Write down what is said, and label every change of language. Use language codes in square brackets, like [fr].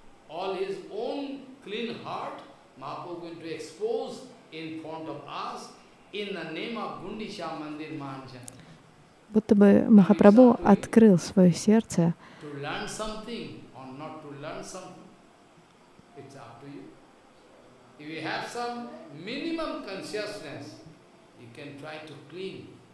[en] All his own clean heart, Mahaprabhu is going to expose in front of us in the name of Gundisha Mandir Mahanjan. [ru] Будто бы Махапрабху открыл свое сердце. [en] To learn something or not to learn something, it's up to you. If you have some minimum consciousness, you can try to clean.